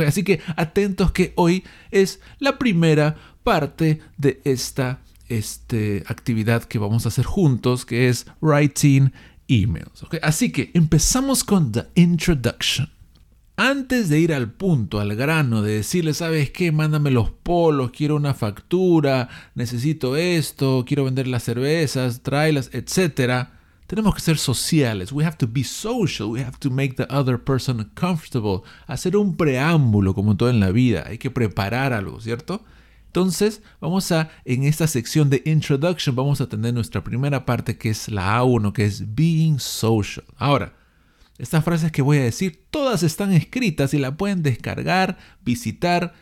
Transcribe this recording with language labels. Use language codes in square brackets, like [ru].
[es] Así que atentos que hoy es la primera parte de esta actividad que vamos a hacer juntos, que es [en] writing emails, [es] ¿ok? Así que empezamos con [en] the introduction. [es] Antes de ir al punto, al grano, de decirle, ¿sabes qué? Mándame los polos, quiero una factura, necesito esto, quiero vender las cervezas, tráelas, etc. Tenemos que ser sociales. [en] We have to be social. We have to make the other person comfortable. [es] Hacer un preámbulo, como todo en la vida. Hay que preparar algo, ¿cierto? Entonces, vamos a, en esta sección de introduction, vamos a tener nuestra primera parte, que es la A1, que es [en] being social. [es] Ahora, estas frases que voy a decir, todas están escritas y la pueden descargar, visitar.